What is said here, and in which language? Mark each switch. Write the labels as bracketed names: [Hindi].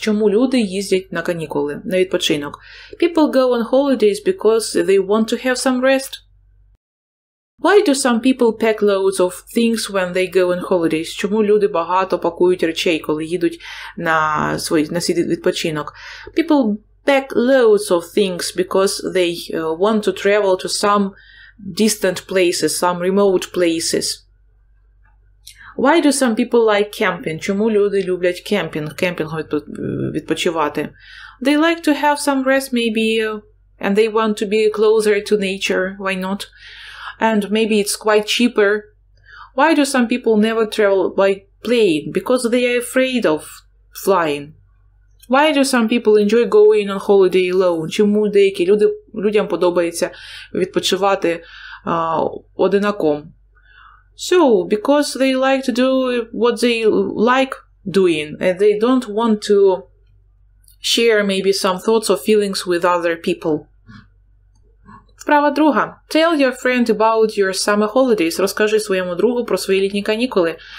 [Ukrainian] Чому люди їздять на канікули, на відпочинок? [English] People go on holidays because they want to have some rest. Why do some people pack loads of things when they go on holidays? [Ukrainian] Чому люди багато пакують речей, коли їдуть на свій відпочинок? [English] People pack loads of things because they want to travel to some distant places, some remote places. Why do some people like camping? [Ukrainian] Чому люди люблять кемпінг відпочивати? [English] They like to have some rest maybe and they want to be closer to nature. Why not? And maybe it's quite cheaper. Why do some people never travel by plane? Because they are afraid of flying. Why do some people enjoy going on holiday alone? [Ukrainian] Чому деякі людям подобається відпочивати одинаком? [English] So, because they like to do what they like doing. And they don't want to share maybe some thoughts or feelings with other people. [Ukrainian] Справа друга. [English] Tell your friend about your summer holidays. [Ukrainian] Розкажи своєму другу про свої літні канікули.